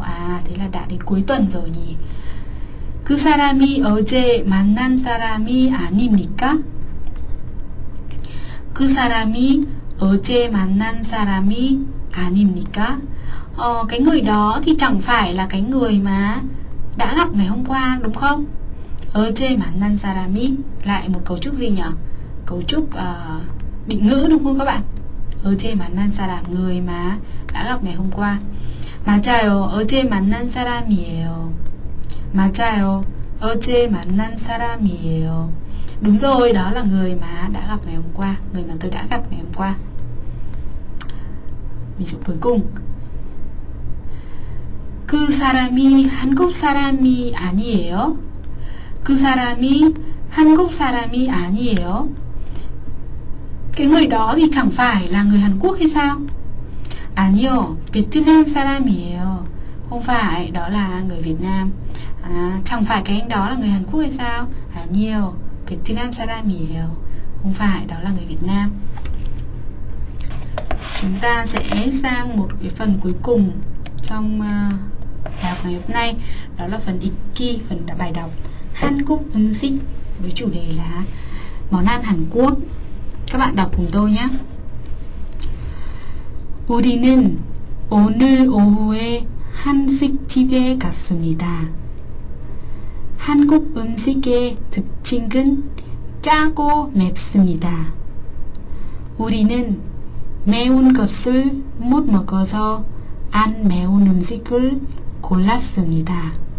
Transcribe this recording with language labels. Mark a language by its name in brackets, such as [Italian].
[Vietnamese] À, thế là đã đến cuối tuần rồi nhỉ? [Korean] 그 사람이 어제 만난 사람이 아닙니까? 그 사람이 어제 만난 사람이 아닙니까? [Vietnamese] Cái người đó thì chẳng phải là cái người mà đã gặp ngày hôm qua đúng không? [Korean] 어제 만난 사람이, [Vietnamese] lại một cấu trúc gì nhỉ? Cấu trúc định ngữ đúng không các bạn? [Korean] 어제 만난 사람, [Vietnamese] người mà đã gặp ngày hôm qua. [Korean] 맞아요. 어제 만난 사람이에요. 맞아요. 어제 만난 사람이에요. [Vietnamese] Đúng rồi, đó là người mà đã gặp ngày hôm qua, người mà tôi đã gặp ngày hôm qua. Ví dụ cuối cùng. [Korean] 그 사람이 한국 사람이 아니에요. 그 사람이 한국 사람이 아니에요. [Vietnamese] Cái người đó thì chẳng phải là người Hàn Quốc hay sao? [Korean] 아니요, 베트남 사람이에요. [Vietnamese] Không phải, đó là người Việt Nam. À, chẳng phải cái anh đó là người Hàn Quốc hay sao? [Korean] 아니요, 베트남 사람이에요. [Vietnamese] Không phải, đó là người Việt Nam. Chúng ta sẽ sang một cái phần cuối cùng trong bài học ngày hôm nay, đó là phần ikki, phần đã bài đọc Hàn Quốc ứng với chủ đề là món ăn Hàn Quốc. Các bạn đọc cùng tôi nhé. [Korean] 우리는 오늘 오후에 한식집에 갔습니다. 한국 음식의 특징은 짜고 맵습니다. 우리는 매운 것을 못 먹어서 안 매운 음식을 골랐습니다.